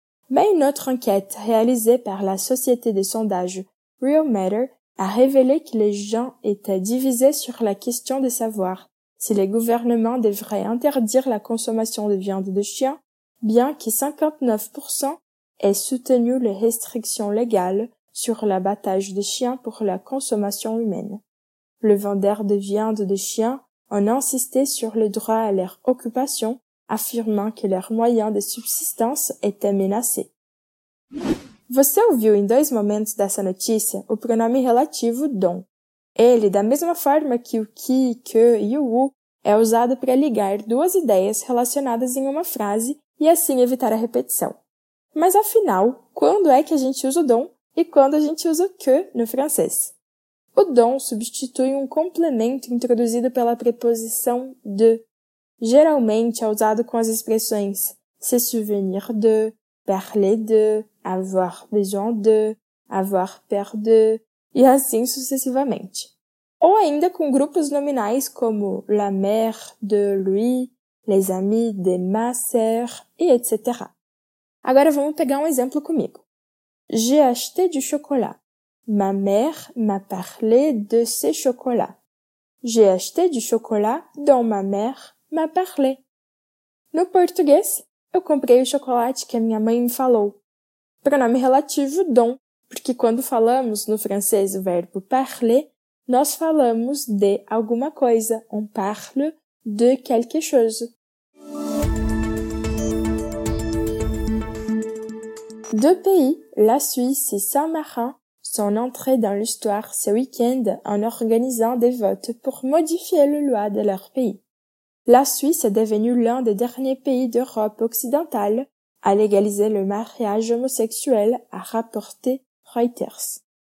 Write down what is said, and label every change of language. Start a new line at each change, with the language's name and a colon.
French: Mais une autre enquête réalisée par la société de sondage Real Matter a révélé que les gens étaient divisés sur la question de savoir si les gouvernements devraient interdire la consommation de viande de chien, bien que 59% aient soutenu les restrictions légales sur l'abattage des chiens pour la consommation humaine. Le vendeur de viande de chien en a insisté sur le droit à leur occupation, affirmant que leurs moyens de subsistance étaient menacés.
Portuguese: Você ouviu em dois momentos dessa notícia o pronome relativo don. Ele, da mesma forma que o ki, que e o u, é usado para ligar duas ideias relacionadas em uma frase e assim evitar a repetição. Mas afinal, quando é que a gente usa o don e quando a gente usa o que no francês? O don substitui um complemento introduzido pela preposição de. Geralmente é usado com as expressões
French: se souvenir de, parler de, avoir besoin de, avoir peur de,
Portuguese: e assim sucessivamente. Ou ainda com grupos nominais como
French: la mère de lui, les amis de ma sœur,
Portuguese: e etc. Agora vamos pegar um exemplo comigo.
French: J'ai acheté du chocolat. Ma mère m'a parlé de ce chocolat. J'ai acheté du chocolat dont ma mère m'a parlé.
Portuguese: No português, eu comprei o chocolate que a minha mãe me falou. Pronome relativo, don, porque quando falamos no francês o verbo parler, nós falamos de alguma coisa,
French: on parle de quelque chose. Deux pays, la Suisse et Saint-Marin, son entrée dans l'histoire ce week-end en organisant des votes pour modifier la loi de leur pays. La Suisse est devenue l'un des derniers pays d'Europe occidentale à légaliser le mariage homosexuel, a rapporté Reuters.